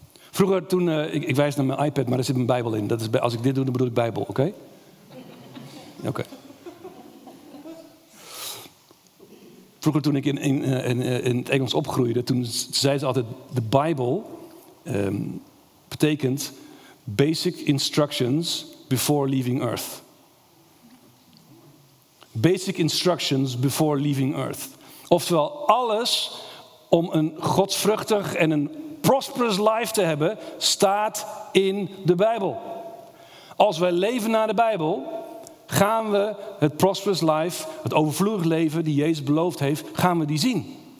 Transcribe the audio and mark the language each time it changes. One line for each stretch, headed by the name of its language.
Dutch: Vroeger toen, ik wijs naar mijn iPad, maar daar zit mijn Bijbel in. Dat is, als ik dit doe, dan bedoel ik Bijbel, oké? Oké. Vroeger toen ik in het Engels opgroeide, toen zei ze altijd, de Bijbel betekent
English: basic instructions before leaving earth. Basic instructions before leaving earth.
Dutch: Oftewel, alles om een godsvruchtig en een
English: prosperous life
Dutch: te hebben, staat in de Bijbel. Als wij leven naar de Bijbel, gaan we het
English: prosperous life,
Dutch: het overvloedig leven die Jezus beloofd heeft, gaan we die zien.